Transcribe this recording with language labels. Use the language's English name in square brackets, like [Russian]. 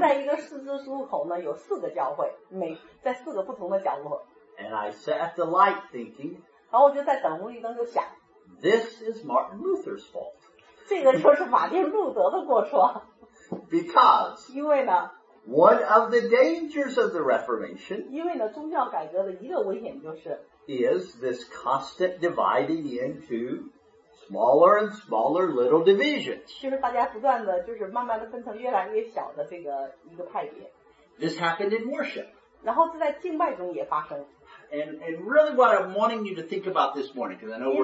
[Chinese] 在一个十字路口呢有四个教会每在四个不同的角落 [English] And I sat at the light thinking [Chinese] 然后我就在等红绿灯就想 [English] This is Martin Luther's fault [Chinese] 这个就是马丁路德的过错 [English] Because [Chinese] 因为呢 [English] One of the dangers of the Reformation [Chinese] 因为呢宗教改革的一个危险就是 [English] is this constant dividing into smaller and smaller little divisions [Chinese] 就是大家不断的就是慢慢的分成越来越小的这个一个派别 [English] This happened in worship [Chinese] 然后这在敬拜中也发生 [English] and really what I'm wanting you to think about this morning because I know we're